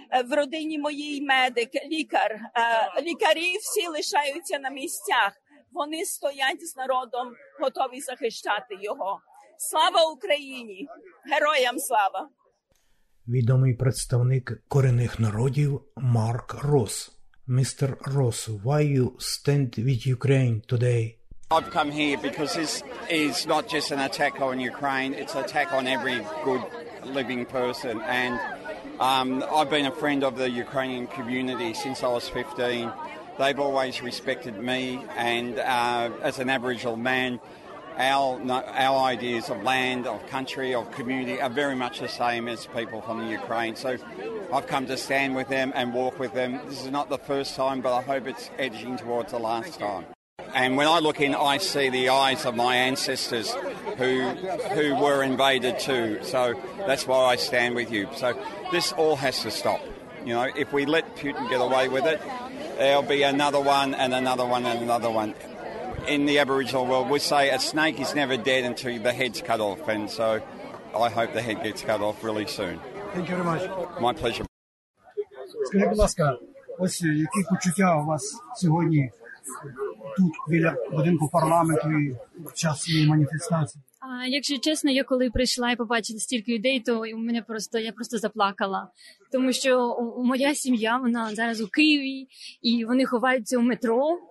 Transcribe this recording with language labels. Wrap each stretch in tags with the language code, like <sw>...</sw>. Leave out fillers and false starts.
<uk>В родині моїй медик, лікар. Лікарі всі лишаються на місцях. Вони стоять з народом, готові захищати його. Слава Україні! Героям слава! Відомий представник корінних народів Марк Росс.</uk> <en>Mr. Ross, why you stand with Ukraine today? I've come here because this is not just an attack on Ukraine, it's an attack on every good living person. And I've been a friend of the Ukrainian community since I was 15. They've always respected me, and as an Aboriginal man, our ideas of land, of country, of community are very much the same as people from the Ukraine. So I've come to stand with them and walk with them. This is not the first time, but I hope it's edging towards the last time. And when I look in, I see the eyes of my ancestors who were invaded too. So that's why I stand with you. So this all has to stop. You know, if we let Putin get away with it, there'll be another one and another one and another one. In the Aboriginal world, we say a snake is never dead until the head's cut off. And so I hope the head gets cut off really soon. Thank you very much. My pleasure.</en> <uk>Скажіть, будь ласка, ось які почуття у вас сьогодні тут біля будинку парламенту і в час цієї маніфестації? Якщо чесно, я коли прийшла і побачила стільки людей, то у мене просто я просто заплакала. Тому що моя сім'я, вона зараз у Києві, і вони ховаються у метро.</uk>